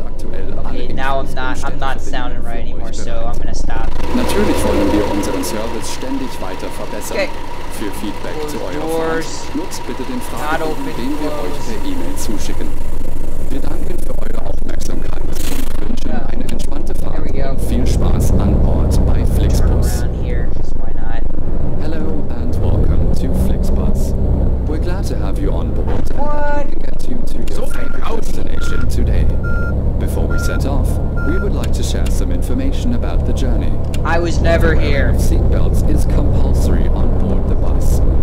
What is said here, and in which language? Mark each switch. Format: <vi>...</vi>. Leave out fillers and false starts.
<en>Okay, now I'm not sounding right anymore, so I'm gonna stop.</en> <de>Natürlich wollen wir unseren Service ständig weiter verbessern. Für Feedback zu eurer Fahrt, nutzt bitte den Fragebogen, den wir euch per E-Mail zuschicken. Wir danken für eure Aufmerksamkeit und wünschen eine entspannte Fahrt und viel Spaß an Bord bei Flixbus.</de> <en>Hello and welcome to Flixbus. We're glad to have you on board and to get you to your favorite destination today. Before we set off, we would like to share some information about the journey. I was never here. Seatbelts is compulsory on board the bus.</en>